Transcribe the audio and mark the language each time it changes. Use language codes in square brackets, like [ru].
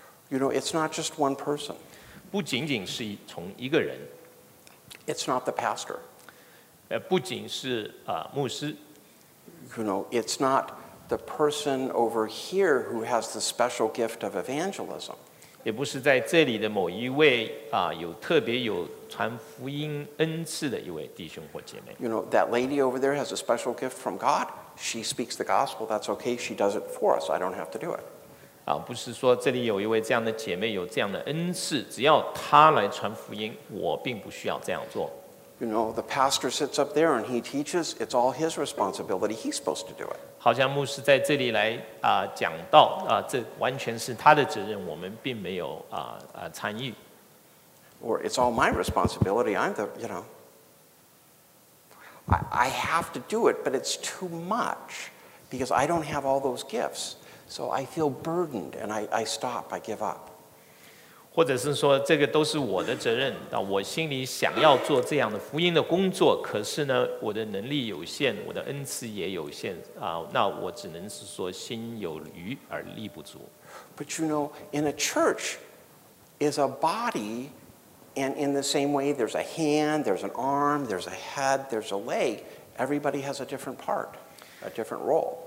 [en] You know, it's not just one person. [zh] 不仅仅是从一个人。 [en] It's not the pastor. [zh] 不仅是牧师。 [en] You know, it's not the person over here who has the special gift of evangelism. [zh] 也不是在这里的某一位有特别有传福音恩赐的一位弟兄或姐妹。 [en] You know, that lady over there has a special gift from God. She speaks the gospel. That's okay. She does it for us. I don't have to do it. [zh] 不是说这里有一位这样的姐妹有这样的恩赐，只要她来传福音，我并不需要这样做。 [en] You know, the pastor sits up there and he teaches. It's all his responsibility. He's supposed to do it. [zh] 好像牧师在这里来讲道这完全是他的责任，我们并没有参与。 [en] Or it's all my responsibility. I'm the, you know, I have to do it, but it's too much because I don't have all those gifts. So I feel burdened and I stop. I give up. [zh] 或者是说这个都是我的责任，我心里想要做这样的福音的工作，可是呢我的能力有限，我的恩赐也有限，那我只能是说心有余而力不足。 [en] But you know, in a church is a body, and in the same way there's a hand, there's an arm, there's a head, there's a leg. Everybody has a different part, a different role.